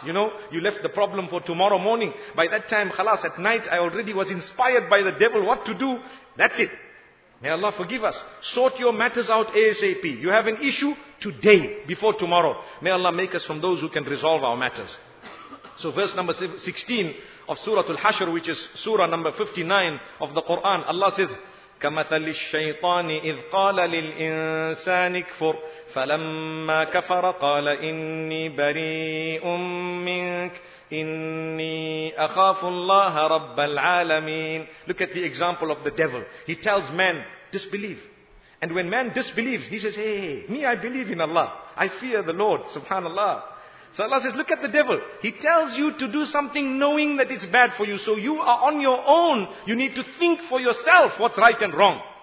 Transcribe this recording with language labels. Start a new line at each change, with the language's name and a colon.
English: You know, you left the problem for tomorrow morning. By that time, khalas, at night, I already was inspired by the devil what to do. That's it. May Allah forgive us. Sort your matters out ASAP. You have an issue today, before tomorrow. May Allah make us from those who can resolve our matters. So verse number 16 of Surah Al-Hashr, which is Surah number 59 of the Quran, Allah says,
Arabic: كَمَثَلِ الشَّيْطَانِ إِذْ قَالَ لِلْإِنسَانِ اكْفُرْ فَلَمَّا كَفَرَ قَالَ إِنِّي بَرِيءٌ مِّنْكَ إِنِّي أَخَافُ اللَّهَ رَبَّ الْعَالَمِينَ.
English: Look at the example of the devil. He tells man, disbelieve. And when man disbelieves, he says, hey, me, I believe in Allah. I fear the Lord, subhanallah. So Allah says, look at the devil. He tells you to do something knowing that it's bad for you. So you are on your own. You need to think for yourself what's right and wrong.